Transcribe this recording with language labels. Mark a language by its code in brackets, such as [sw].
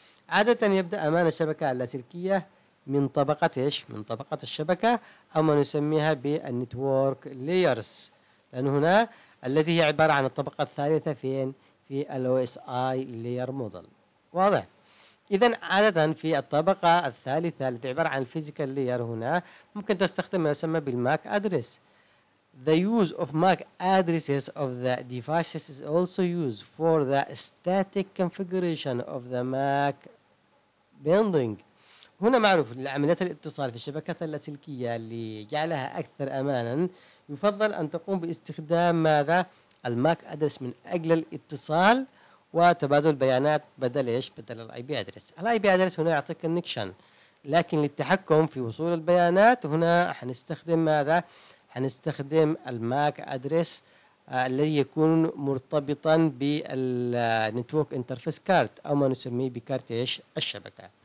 [ar] عادة يبدأ أمان الشبكة اللاسلكية من طبقة إيش من طبقة الشبكة، أو ما نسميها بالنتورك لايرز، لأن هنا الذي هي عبارة عن الطبقة الثالثة في OSI layer model. واضح. إذا عادة في الطبقة الثالثة التي عبارة عن الفيزيكال لاير، هنا ممكن تستخدم ما يسمى بالماك أدرس. [en] The use of MAC addresses of the devices is also used for the static configuration of the MAC bundling. [ar] هنا معروف لعمليات الاتصال في الشبكات اللاسلكية اللي جعلها أكثر أماناً، يفضل أن تقوم باستخدام ماذا الماك أدرس من أجل الاتصال وتبادل بيانات بدل إيش بدل الاي بي أدرس. الاي بي أدرس هنا يعطيك النكشن، لكن للتحكم في وصول البيانات هنا حنستخدم ماذا حنستخدم الماك أدرس الذي يكون مرتبطا بالنتورك انترفيس كارت، أو ما نسميه بكارت إيش الشبكة.